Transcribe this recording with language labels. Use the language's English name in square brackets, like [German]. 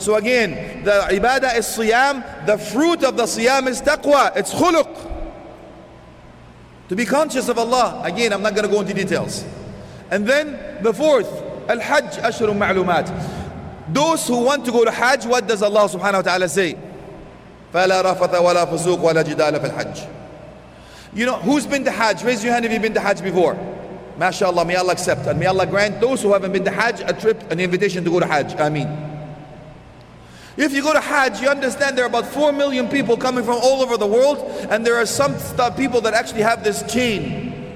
[English] So again, the ibadah is siyam. The fruit of the siyam is taqwa. It's khuluq. To be conscious of Allah. Again, I'm not going to go into details. And then the fourth, [Arabic] al-hajj ashrun ma'lumat. [English] Those who want to go to Hajj, what does Allah subhanahu wa ta'ala say? [Arabic] فَلَا رَفَثَ وَلَا فُسُوقُ وَلَا جِدَالَ فِي الْحَجِّ. [English] You know, who's been to Hajj? Raise your hand if you've been to Hajj before. MashaAllah, may Allah accept. And may Allah grant those who haven't been to Hajj a trip, an invitation to go to Hajj. Ameen. If you go to Hajj, you understand there are about 4 million people coming from all over the world, and there are some people that actually have this chain.